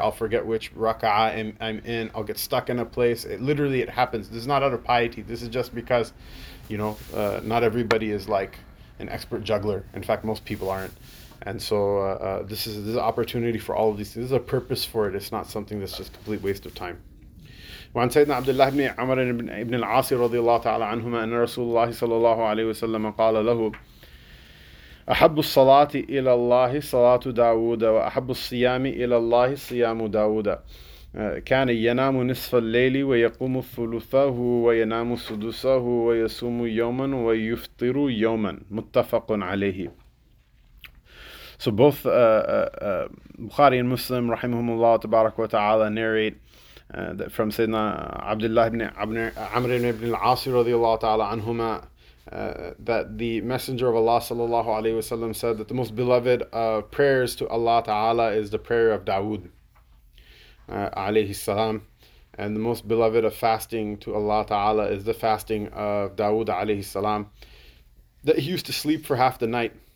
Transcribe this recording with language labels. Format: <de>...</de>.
<en>I'll forget which raka'ah I'm in. I'll get stuck in a place. It happens. This is not out of piety. This is just because, you know, not everybody is like an expert juggler. In fact, most people aren't. And so this is an opportunity for all of these things. There's a purpose for it. It's not something that's just a complete waste of time.</en> <ar>وعن سيدنا عبد الله بن عمر بن العاص رضي الله تعالى عنهما أن رسول الله صلى الله عليه وسلم قال له أحب الصلاة إلى الله صلاة داود وأحب الصيام إلى الله صيام داود كان ينام نصف الليل ويقوم ثلثه وينام سدسه ويصوم يوما ويفطر يوما متفق عليه.</ar> <en>So both Bukhari and Muslim, rahimahumullah, tabarak wa ta'ala, narrate that from Sayyidina Abdullah ibn Amr ibn al-Asi radiallahu ta'ala anhuma, that the Messenger of Allah sallallahu alayhi wa sallam said that the most beloved prayers to Allah ta'ala is the prayer of Dawood alayhi salam, and the most beloved of fasting to Allah ta'ala is the fasting of Dawood alayhi salam, that he used to sleep for half the night.</en>